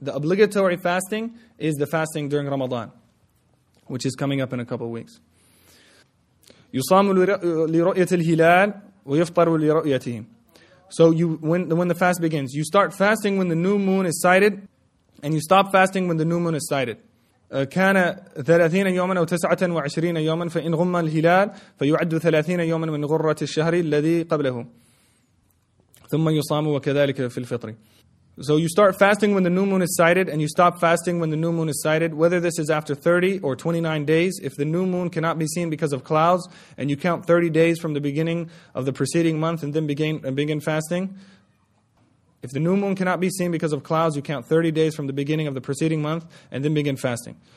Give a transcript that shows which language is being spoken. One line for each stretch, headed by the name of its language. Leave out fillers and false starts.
English: The obligatory fasting is the fasting during Ramadan, which is coming up in a couple of weeks.
Arabic: يُصَامُ لِرُؤْيَةِ الْهِلَالِ وَيُفْطَرُ لِرُؤْيَتِهِ.
English: So you when the fast begins, you start fasting when the new moon is sighted, and you stop fasting when the new moon is sighted.
Arabic: كان 30 يوما أو 29 يوما فإن غم الهلال فيعد 30 يوما من غرة الشهر الذي قبله ثم يصام وكذلك في الفطر.
English: So you start fasting when the new moon is sighted, and you stop fasting when the new moon is sighted, whether this is after 30 or 29 days. If the new moon cannot be seen because of clouds, and you count 30 days from the beginning of the preceding month and then begin fasting, if the new moon cannot be seen because of clouds, you count 30 days from the beginning of the preceding month and then begin fasting.